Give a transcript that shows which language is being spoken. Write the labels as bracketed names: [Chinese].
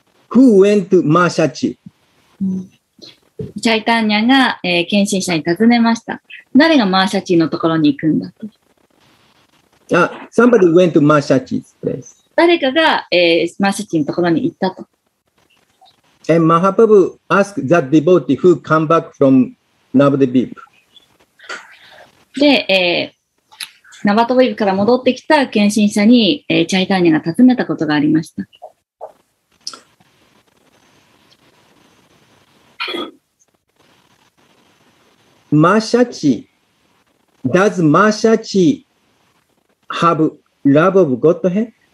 [English] Who went to マーシャチ？ [Japanese] チャイタニアが、献身者に尋ねました。誰がマーシャチのところに行くんだと。 [English] Somebody went to マーシャチ place. [Japanese] 誰かが、マーシャチのところに行ったと。 [English] And マハパブ ask that devotee who come back from Navadvip. [Japanese] で、ナバトヴィヴから戻ってきた献身者に、チャイタニアが尋ねたことがありました。 [English] マシャチ、does マシャチ have love of Godhead?